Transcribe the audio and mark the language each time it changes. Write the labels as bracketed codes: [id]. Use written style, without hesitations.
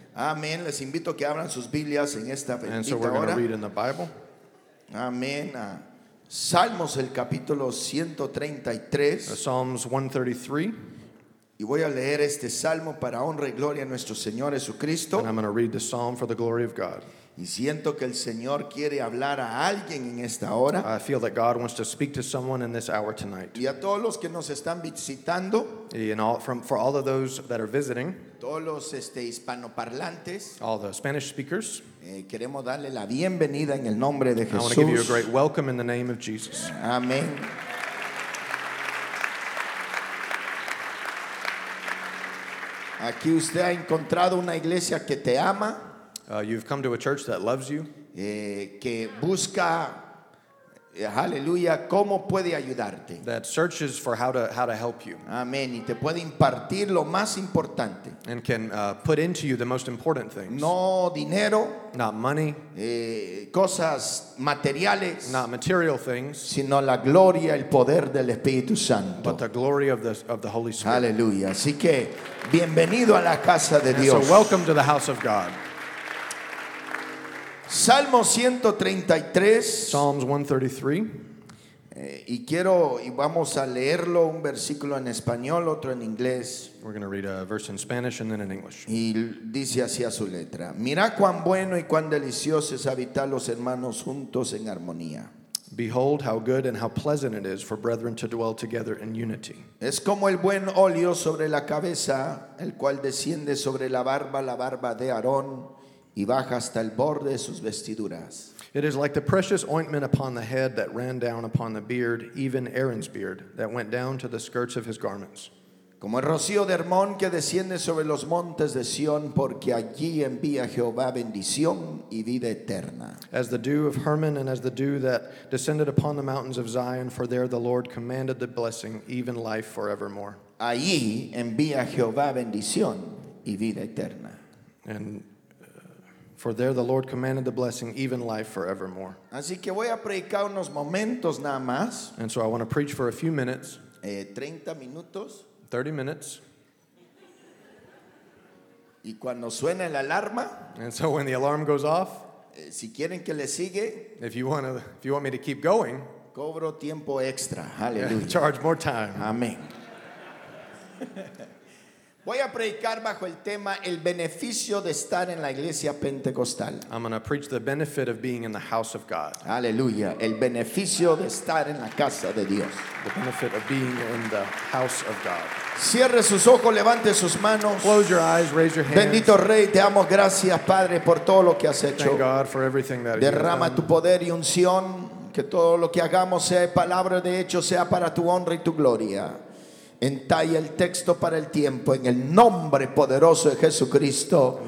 [es] Amén. Les invito a que abran sus Biblias en esta bendita hora. [en] And so we're going to read in the Bible. [es] Amén. Salmos, el capítulo 133. [en] Psalms 133. [es] Y voy a leer este salmo para honra y gloria a nuestro Señor Jesucristo. [en] And I'm going to read the psalm for the glory of God. [es] Y siento que el Señor quiere hablar a alguien en esta hora. [en] I feel that God wants to speak to someone in this hour tonight. [es] Y a todos los que nos están visitando. [en] And all, from, for all of those that are visiting. [es] Todos los hispanoparlantes. [en] All the Spanish speakers. [es] Queremos darle la bienvenida en el nombre de Jesús. [en] I want to give you a great welcome in the name of Jesus. [es] Amén. Aquí usted ha encontrado una iglesia que te ama. [en] You've come to a church that loves you. [es] Que busca, hallelujah, cómo puede ayudarte. [en] That searches for how to help you. [es] Amén. Y te puede impartir lo más importante. [en] And can put into you the most important things. [es] No dinero. [en] Not money. [es] Cosas materiales. [en] Not material things. [es] Sino la gloria, el poder del Espíritu Santo. [en] But the glory of the Holy Spirit. Hallelujah. [es] Así que bienvenido a la casa de Dios. [en] So welcome to the house of God. [es] Salmo 133. [en] Psalms 133. [es] Y vamos a leerlo un versículo en español, otro en inglés. [en] We're going to read a verse in Spanish and then in English. [es] Y dice así a su letra: Mira cuán bueno y cuán delicioso es habitar los hermanos juntos en armonía. [en] Behold how good and how pleasant it is for brethren to dwell together in unity. [es] Es como el buen óleo sobre la cabeza, el cual desciende sobre la barba de Aarón. Y baja hasta el borde de sus vestiduras. [en] It is like the precious ointment upon the head that ran down upon the beard, even Aaron's beard, that went down to the skirts of his garments. [es] Como el rocío de Hermón que desciende sobre los montes de Sion, porque allí envía Jehová bendición y vida eterna. [en] As the dew of Hermon and as the dew that descended upon the mountains of Zion, for there the Lord commanded the blessing, even life forevermore. [es] Allí envía Jehová bendición y vida eterna. [en] And for there the Lord commanded the blessing, even life forevermore. [es] Así que voy a predicar unos momentos nada más. [en] And so I want to preach for a few minutes. [es] 30 minutos. [en] 30 minutes. [es] Y cuando suene la alarma. [en] And so when the alarm goes off. [es] Si quieren que le sigue. [en] If you want me to keep going. [es] Cobro tiempo extra. Hallelujah. [en] Charge more time. [es] Amén. Voy a predicar bajo el tema el beneficio de estar en la iglesia pentecostal. [en] I'm going to preach the benefit of being in the house of God. [es] Aleluya, el beneficio de estar en la casa de Dios. [en] The benefit of being in the house of God. [es] Cierre sus ojos, levante sus manos. [en] Close your eyes, raise your hands. [es] Bendito Rey, te damos gracias, Padre, por todo lo que has hecho. [en] Thank God for everything that [es] derrama tu poder y unción, que todo lo que hagamos sea palabra de hecho, sea para tu honra y tu gloria. Entalla el texto para el tiempo en el nombre poderoso de Jesucristo.